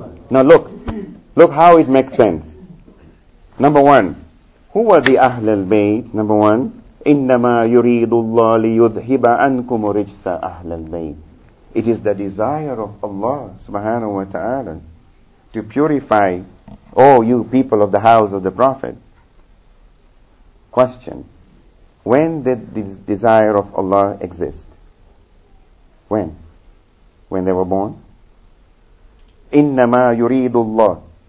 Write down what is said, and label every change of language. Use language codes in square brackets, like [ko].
[en] Now look how it makes sense. Number one, who were the Ahlul Bayt? Number one, [ar] إِنَّمَا يُرِيدُ اللَّهُ لِيُذْهِبَ أَنْكُمُ رِجْسَ أَهْلَ الْبَيْتِ. [en] It is the desire of Allah subhanahu wa ta'ala to purify all you people of the house of the Prophet. Question, when did this desire of Allah exist? When? When they were born? [ar] إِنَّمَا يُرِيدُ اللَّهُ.